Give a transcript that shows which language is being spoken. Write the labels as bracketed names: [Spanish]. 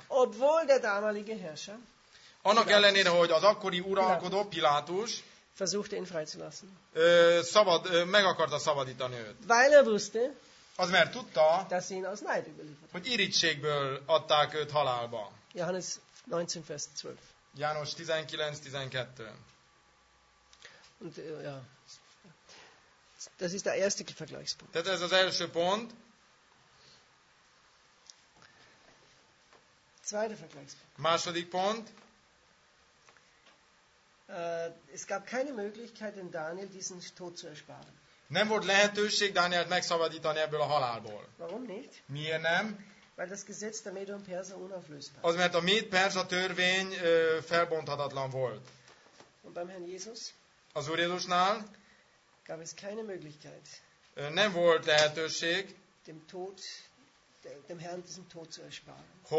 [German] Obwohl der damalige Herrscher, [Hungarian] annak ellenére, hogy az akkori uralkodó Pilátus [German] versuchte ihn freizulassen. [Hungarian] Meg akarta szabadítani őt. [German] Weil er wusste, [Hungarian] az mert tudta, [German] dass ihn aus Neid überliefert. [Hungarian] Hogy irigységből adták őt halálba. [German] Johannes 19, Vers 12. [Hungarian] János 19:12. [German] Und ja. Das ist der erste Vergleichspunkt. [Hungarian] Tehát ez az első pont. [German] Zweiter Vergleichspunkt. [Hungarian] Második pont. [German] Es gab keine Möglichkeit, den Daniel diesen Tod zu ersparen. [Hungarian] Nem volt lehetőség Dánielt megszabadítani ebből a halálból. [German] Warum nicht? [Hungarian] Miért nem? [German] Weil das Gesetz der Medo und Perser unauflösbar. [Hungarian] Az, mert a Méd-Perzsa törvény felbonthatatlan volt. [German] Und beim Herrn Jesus? [Hungarian] Az Úr Jézusnál? [German] Gab es keine Möglichkeit. [Hungarian] Nem volt lehetőség. [German] Dem Tod, dem Herrn diesen Tod zu ersparen.